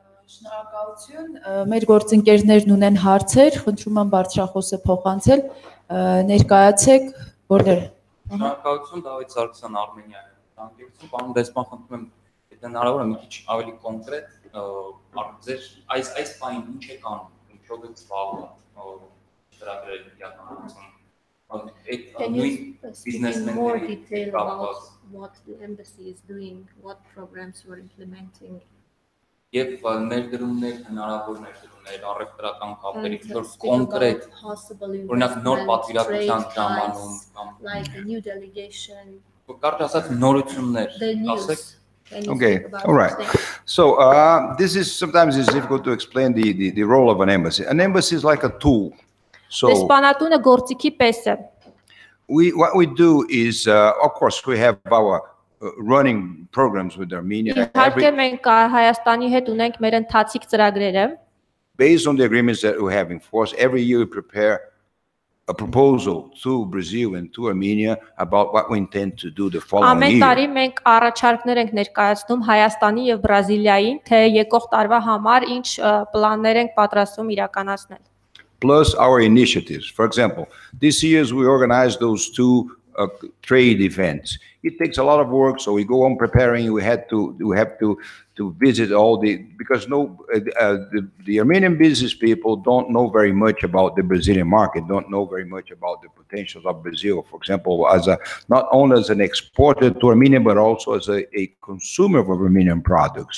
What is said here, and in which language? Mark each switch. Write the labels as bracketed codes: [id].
[hy] Շնորհակալություն։ Մեր գործընկերներն ունեն հարցեր, խնդրում եմ բարձրախոսը փոխանցել, ներկայացեք, որներ։ Շնորհակալություն, Դավիթ Սարգսյան, Արմենիա։ Դանդեղություն, պարոն դեսպան, խնդրում եմ, եթե հնարավոր է մի քիչ ավելի կոնկրետ, ձեր այս պահին ինչ է կանոն, ինչով է զբաղվում, ճարագրել իրականացում։ [en] Can you speak more detail about what the embassy is doing, what programs you are implementing? [hy] Եվ ներդրումներ, հնարավոր ներդրումներ, առևտրական կապերի փոքր կոնկրետ, օրինակ նոր պատվիրակության ժամանում կամ [en] like a new delegation, [hy] կարճ ասած նորություններ, ասեք։ [en] Okay, all right. So this is sometimes it's difficult to explain the role of an embassy. An embassy is like a tool. So [hy] դեսպանատունը գործիքի պես է։ [en] What we do is of course we have our running programs with Armenia. [hy] Իհարկե մենք Հայաստանի հետ ունենք մեր ընթացիկ ծրագրերը։ [en] Based on the agreements that we have in force, every year we prepare a proposal to Brazil and to Armenia about what we intend to do the following [hy] ամեն [en] year. [hy] Ամեն տարի մենք առաջարկներ ենք ներկայացնում Հայաստանի եւ Բրազիլիայի, թե եկող տարվա համար ինչ պլաններ ենք պատրաստում իրականացնել։ [en] plus our initiatives. For example, this year we organized those two trade events. It takes a lot of work, so we go on preparing. We have to visit all the, because no, the Armenian business people don't know very much about the Brazilian market, don't know very much about the potentials of Brazil, for example, as a, not only as an exporter to Armenia, but also as a consumer of Armenian products.